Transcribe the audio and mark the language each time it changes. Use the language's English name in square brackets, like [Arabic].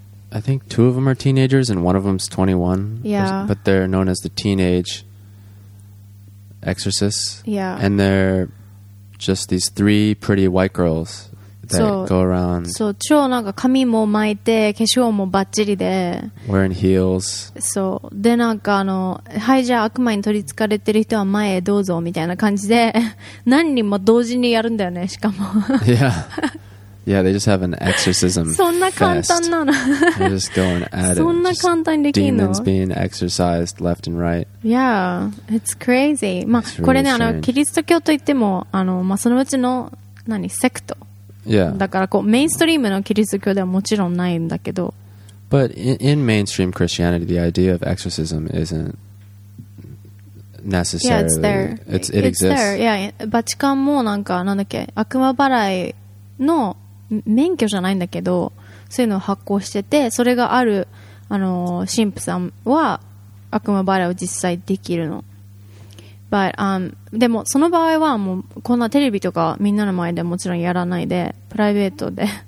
[English] I think two of them are teenagers and one of them is 21. Yeah. But they're known as the teenageExorcists, yeah, and they're just these three pretty white girls that go around. [Japanese] So, 超なんか髪も巻いて化粧もバッチリで [English] wearing heels. [Japanese] So, でなんかあのはいじゃあ悪魔に取り憑かれてる人は前へどうぞみたいな感じで何人も同時にやるんだよねしかも [English] Yeah, they just have an exorcism. [Japanese] そんな簡単なの [English] They're just going at it. [Japanese] そんな簡単にできるの? [English] Demons being exorcised left and right. Yeah, it's crazy. まあ、 really、 [Japanese] これね、 [English] strange. [Japanese] あのキリスト教といってもあのまあそのうちの何セクト。 [English] Yeah. [Japanese] だからこうメインストリームのキリスト教ではもちろんないんだけど。 [English] But in mainstream Christianity, the idea of exorcism isn't necessarily. Yeah, it's there. It exists. There. [Japanese] Yeah, バチカンもなんかなんだっけ悪魔払いの免許じゃないんだけどそういうのを発行してて、それがある、神父さんは悪魔払いを実際できるの。 But, でもその場合はもうこんなテレビとかみんなの前でもちろんやらないでプライベートであ